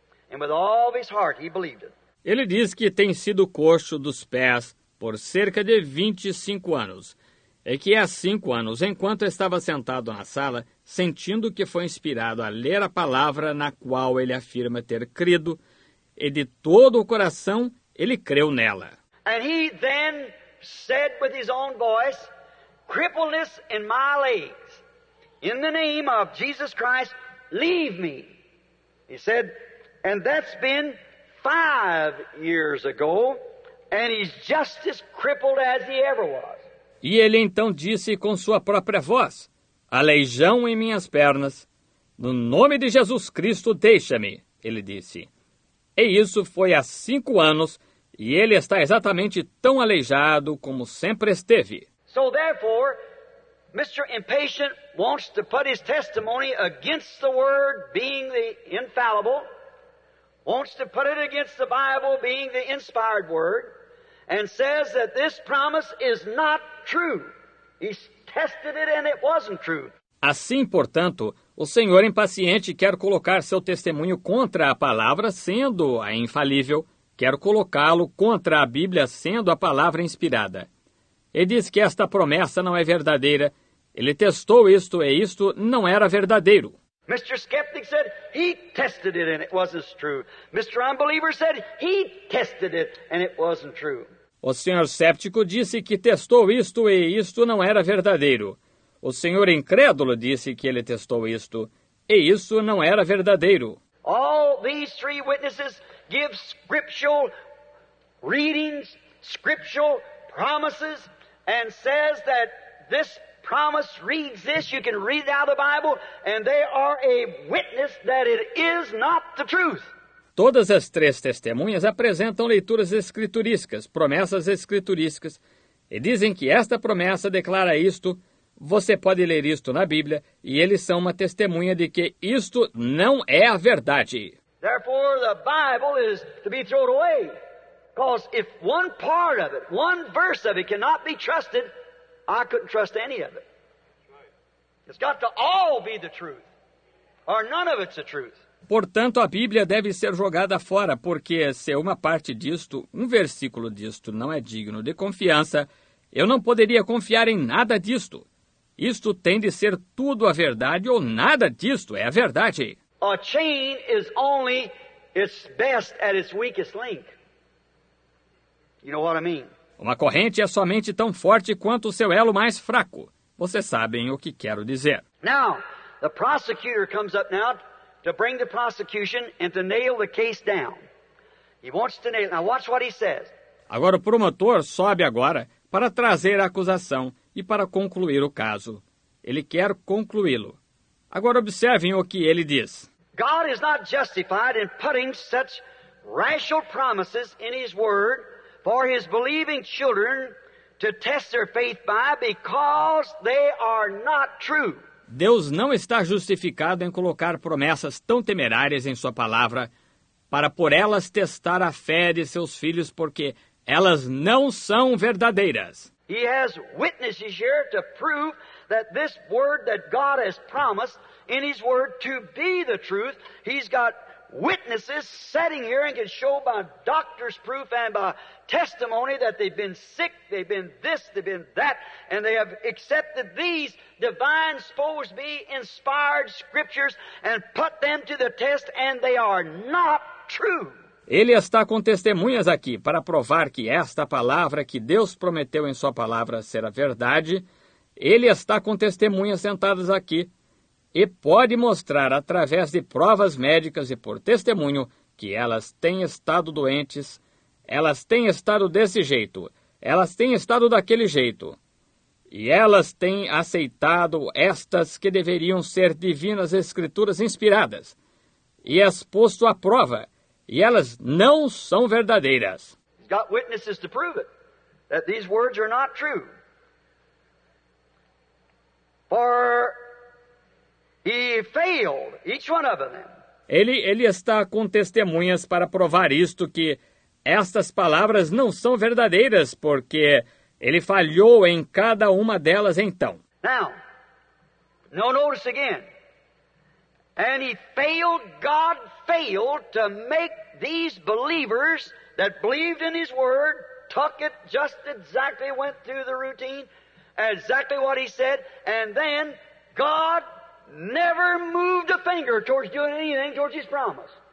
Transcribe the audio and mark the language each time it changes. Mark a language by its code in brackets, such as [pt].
[en] And with all of his heart, he believed it. [pt] Ele diz que tem sido coxo dos pés por cerca de 25 anos, e que há 5 anos, enquanto estava sentado na sala, sentindo que foi inspirado a ler a palavra na qual ele afirma ter crido, e de todo o coração ele creu nela. [en] And he then said with his own voice, crippledness in my legs, in the name of Jesus Christ, leave me. He said, and that's been 5 years ago, and he's just as crippled as he ever was. [pt] E ele então disse com sua própria voz, aleijão em minhas pernas, no nome de Jesus Cristo, deixa-me, ele disse. E isso foi há 5 anos, e ele está exatamente tão aleijado como sempre esteve. [en] So therefore, Mr. Impatient wants to put his testimony against the Word being the infallible, wants to put it against the Bible being the inspired Word, and says that this promise is not true. He's tested it and it wasn't true. [pt] Assim, portanto, o Senhor impaciente quer colocar seu testemunho contra a palavra sendo a infalível, quer colocá-lo contra a Bíblia sendo a palavra inspirada. Ele diz que esta promessa não é verdadeira. Ele testou isto e isto não era verdadeiro. [en] Mr. Skeptic said he tested it and it wasn't true. Mr. Unbeliever said he tested it and it wasn't true. [pt] O senhor cético disse que testou isto e isto não era verdadeiro. O senhor incrédulo disse que ele testou isto e isso não era verdadeiro. [en] All these three witnesses give scriptural readings, scriptural promises, and says that this promise reads this, you can read it out of the Bible, and they are a witness that it is not the truth. [pt] Todas as três testemunhas apresentam leituras escriturísticas, promessas escriturísticas, e dizem que esta promessa declara isto, você pode ler isto na Bíblia, e eles são uma testemunha de que isto não é a verdade. [en] Therefore, the Bible is to be thrown away. Because if one part of it, one verse of it cannot be trusted, I couldn't trust any of it. It's got to all be the truth, or none of it's the truth. [pt] Portanto, a Bíblia deve ser jogada fora, porque se uma parte disto, um versículo disto, não é digno de confiança, eu não poderia confiar em nada disto. Isto tem de ser tudo a verdade, ou nada disto é a verdade. [en] A chain is only its best at its weakest link. You know what I mean? [pt] Uma corrente é somente tão forte quanto o seu elo mais fraco. Vocês sabem o que quero dizer. [en] Now, the prosecutor comes up now to bring the prosecution and to nail the case down. He wants to nail. Now watch what he says. [pt] Agora o promotor sobe agora para trazer a acusação e para concluir o caso. Ele quer concluí-lo. Agora observem o que ele diz. [en] God is not justified in putting such rational promises in his word for his believing children to test their faith by, because they are not true. [pt] Deus não está justificado em colocar promessas tão temerárias em sua palavra para por elas testar a fé de seus filhos, porque elas não são verdadeiras. [en] He has witnesses here to prove that this word that God has promised in his word to be the truth. He's got witnesses sitting here and can show by doctor's proof and by testimony that they've been sick, they've been this, they've been that, and they have accepted these divine, supposed to be inspired scriptures and put them to the test, and they are not true. [pt] Ele está com testemunhas aqui para provar que esta palavra que Deus prometeu em sua palavra será verdade. Ele está com testemunhas sentadas aqui e pode mostrar através de provas médicas e por testemunho que elas têm estado doentes, elas têm estado desse jeito, elas têm estado daquele jeito. E elas têm aceitado estas que deveriam ser divinas escrituras inspiradas e as posto à prova, e elas não são verdadeiras. [en] He's got witnesses to prove it, that these words are not true. For he failed, each one of them. [pt] Ele está com testemunhas para provar isto, que estas palavras não são verdadeiras, porque ele falhou em cada uma delas então. [en] Now, now notice again. And he failed, God failed to make these believers that believed in his word, took it just exactly, went through the routine, exactly what he said, and then God never moved a finger towards doing anything towards his promise.